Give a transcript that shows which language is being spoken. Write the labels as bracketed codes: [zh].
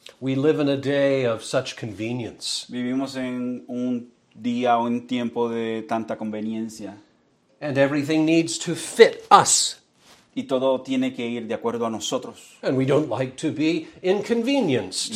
[en] We live in a day of such convenience. [es] Vivimos en un día o un tiempo de tanta conveniencia. [en] And everything needs to fit us. [es] Y todo tiene que ir de acuerdo a nosotros. [en] And we don't like to be inconvenienced.